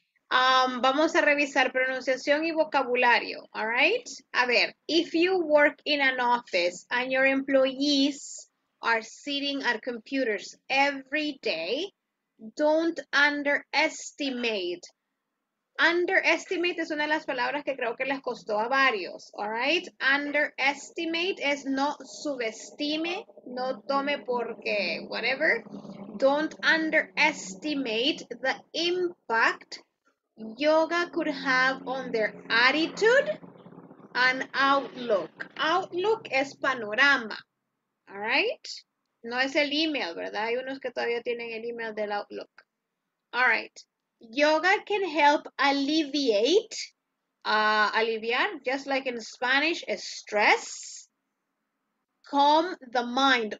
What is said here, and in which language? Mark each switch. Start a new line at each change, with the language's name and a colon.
Spanish: Vamos a revisar pronunciación y vocabulario.
English: All right.
Spanish: A ver,
English: if you work in an office and your employees are sitting at computers every day, don't underestimate.
Spanish: Underestimate es una de las palabras que creo que les costó a varios,
English: all right?
Spanish: Underestimate es no subestime, no tome porque, whatever.
English: Don't underestimate the impact yoga could have on their attitude and outlook.
Spanish: Outlook es panorama,
English: all right?
Spanish: No es el email, ¿verdad? Hay unos que todavía tienen el email del Outlook.
English: All right. Yoga can help alleviate, aliviar, just like in Spanish, stress, calm the mind.